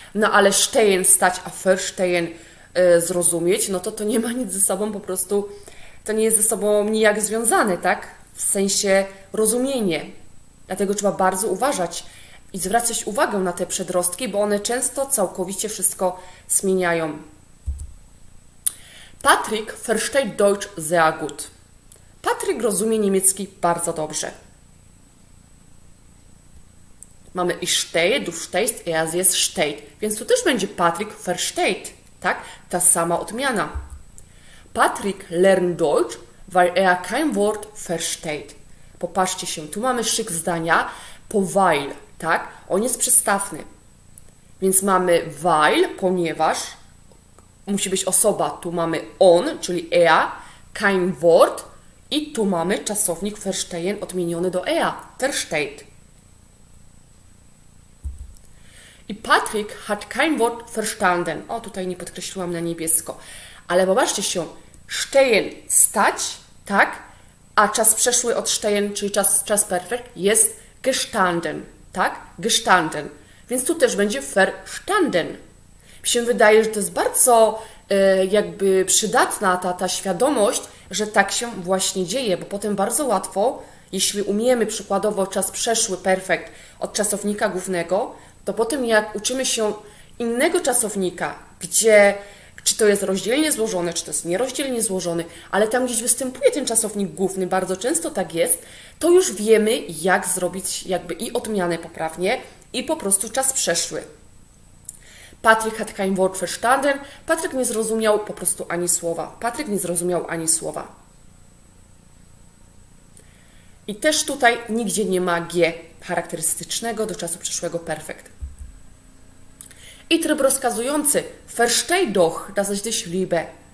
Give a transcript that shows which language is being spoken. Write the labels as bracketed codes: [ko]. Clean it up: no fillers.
[pl] No ale stehen, stać, a verstehen, zrozumieć, no to nie ma nic ze sobą po prostu, to nie jest ze sobą nijak związane, tak? W sensie rozumienie. Dlatego trzeba bardzo uważać i zwracać uwagę na te przedrostki, bo one często całkowicie wszystko zmieniają. [de] Patrick versteht Deutsch sehr gut. [pl] Patrick rozumie niemiecki bardzo dobrze. [de] Mamy ich stehe, du stehst, er sie steht. [pl] Więc tu też będzie Patrick versteht. Tak? Ta sama odmiana. [de] Patrick lernt Deutsch, weil er kein Wort versteht. [pl] Popatrzcie się, tu mamy szyk zdania po weil, tak? On jest przystawny. Więc mamy weil, ponieważ musi być osoba. Tu mamy on, czyli er, [de] kein Wort [pl] i tu mamy czasownik verstehen odmieniony do er, versteht. [de] I Patrick hat kein Wort verstanden. [pl] O, tutaj nie podkreśliłam na niebiesko. Ale popatrzcie się. Stehen, stać, tak? A czas przeszły od stehen, czyli czas perfekt, jest gestanden, tak? Gestanden. Więc tu też będzie verstanden. Mi się wydaje, że to jest bardzo jakby przydatna ta świadomość, że tak się właśnie dzieje, bo potem bardzo łatwo, jeśli umiemy przykładowo czas przeszły perfekt od czasownika głównego, to potem jak uczymy się innego czasownika, gdzie, czy to jest rozdzielnie złożone, czy to jest nierozdzielnie złożone, ale tam gdzieś występuje ten czasownik główny, bardzo często tak jest, to już wiemy, jak zrobić jakby i odmianę poprawnie, i po prostu czas przeszły. [de] Patrick hat kein Wort verstanden. [pl] Patrick nie zrozumiał po prostu ani słowa. Patrick nie zrozumiał ani słowa. I też tutaj nigdzie nie ma G charakterystycznego do czasu przeszłego perfekt. I tryb rozkazujący. [de] Versteh doch, dass ich dich liebe.